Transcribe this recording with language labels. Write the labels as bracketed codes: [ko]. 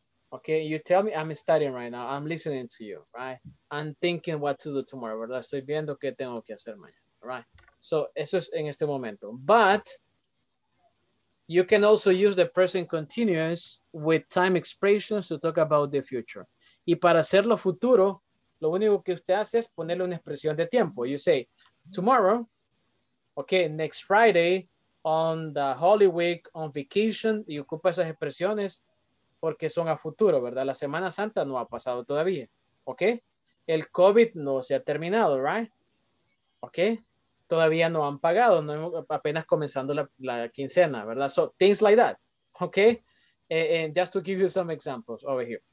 [en] Okay, you tell me, I'm studying right now. I'm listening to you, right? I'm thinking what to do tomorrow, ¿verdad? [es] Estoy viendo qué tengo que hacer mañana, right? So, eso es en este momento. [en] But you can also use the present continuous with time expressions to talk about the future. [es] Y para hacerlo futuro, lo único que usted hace es ponerle una expresión de tiempo. [en] You say, tomorrow, okay, next Friday, on the Holy Week, on vacation, y ocupa esas expresiones porque son a futuro, ¿verdad? [es] La Semana Santa no ha pasado todavía, ¿ok? El COVID no se ha terminado, ¿right? ¿Ok? Todavía no han pagado, no hemos, apenas comenzando la quincena, ¿verdad? [en] So, things like that, ¿ok? And just to give you some examples over here.